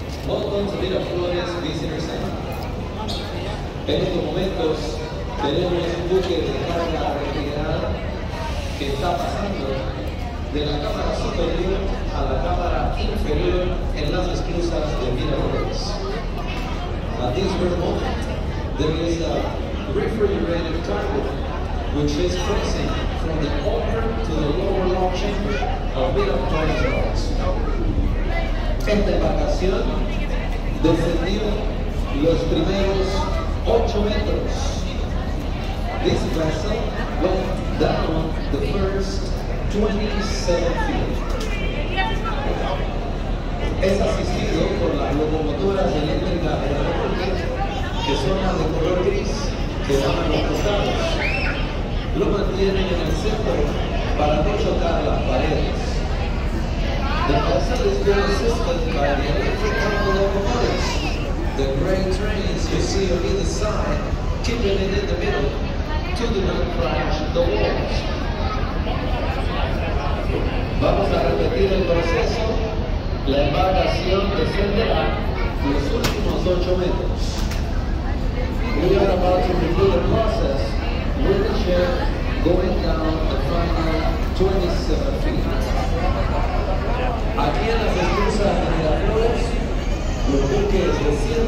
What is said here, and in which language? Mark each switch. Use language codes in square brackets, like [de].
[en] Welcome to Miraflores Visitor Center. [es] En estos momentos tenemos un buque de carga refrigerada que está pasando de la cámara superior a la cámara inferior en las esclusas de Miraflores. [en] At this very moment, there is a refrigerated cargo which is crossing from the upper to the lower log chamber of Miraflores Docks. [es] Esta embarcación descendió los primeros 8 metros. [en] This vessel went down the first 27 feet. [es] Es asistido por las locomotoras eléctricas de remolque, que son las de color gris, que van a los costados. Lo mantienen en el centro para no chocar las paredes. [en] The vessel is being assisted by the electric locomotives, the gray trains you see on either side, keeping it in the middle to do not crash the walls. [es] Vamos a repetir el proceso. La embarcación descenderá los últimos 8 metros. [en] We are about to repeat the process with the ship going down the final 27 feet. [es] Aquí en las esclusas de Miraflores, los buques descienden.